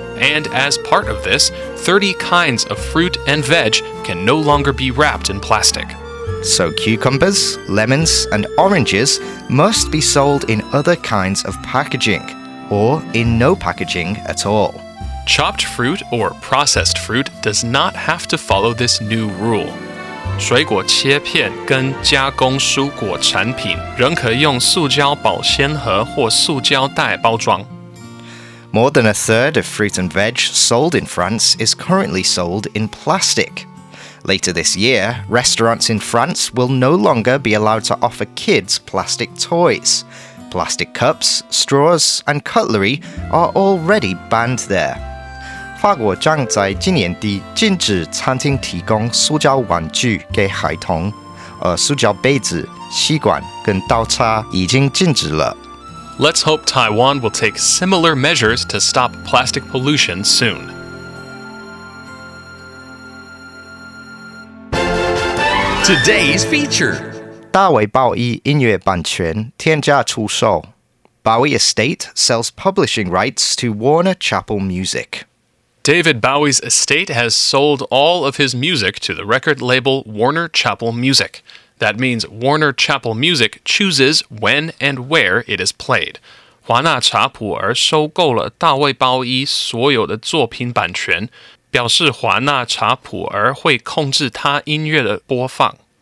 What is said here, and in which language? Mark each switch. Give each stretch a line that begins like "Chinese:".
English: And as part of this, 30 kinds of fruit and veg can no longer be wrapped in plastic. So cucumbers, lemons, and oranges must be sold in other kinds of packaging, or in no packaging at all. Chopped fruit or processed fruit does not have to follow this new rule.
Chinese: 水果切片跟加工蔬果产品仍可用塑胶保鲜盒或塑胶袋包装。
English: More than a third of fruit and veg sold in France is currently sold in plastic. Later this year, restaurants in France will no longer be allowed to offer kids plastic toys. Plastic cups, straws, and cutlery are already banned there.
Chinese: 法国将在今年底禁止餐厅提供塑胶玩具给孩童，而塑胶杯子、吸管跟刀叉已经禁止了。
English: Let's hope Taiwan will take similar measures to stop plastic pollution soon. Today's feature.
Chinese: 大卫鲍伊音乐版权天价出售。
English: Bowie Estate sells publishing rights to Warner Chappell Music. David Bowie's estate has sold all of his music to the record label Warner Chappell Music. That means Warner Chappell Music chooses when and where it is played.
Chinese: 华纳查普尔收购了大卫鲍伊所有的作品版权，表示华纳查普尔会控制他音乐的播放。